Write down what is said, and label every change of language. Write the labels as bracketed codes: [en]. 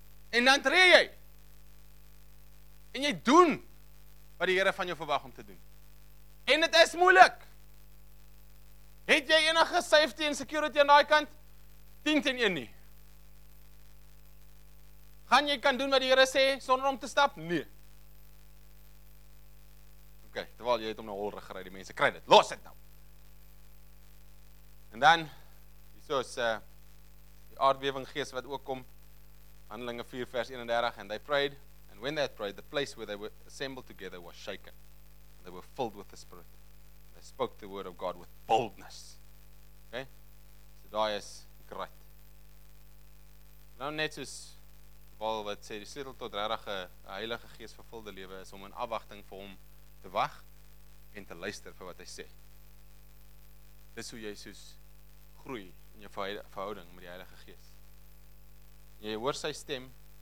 [af] En dan tree jy. En jy doen wat die Here van jou verwag om te doen. En dit is moeilik. Het jy enige safety en security aan daai kant? 10 teen 1 nie. Gaan jy kan doen wat die Here sê sonder om te stap? Nee. Okay, terwyl jy het om na hol gery, die mense kry dit. Los dit nou. En dan hiersoos die aardbewing gees wat ook kom. Handelinge 4 vers 31, [en] and they prayed, and when they had prayed, the place where they were assembled together was shaken, and they were filled with the Spirit. And they spoke the word of God with boldness. [af] Okay? So daai is great. Nou net soos Paul wat sê, die sleutel tot regtig 'n Heilige Gees vervulde lewe is om in afwagting vir hom te wag en te luister vir wat hy sê. Dis hoe jy soos groei in jou verhouding met die Heilige Gees. Jy hoor sy stem.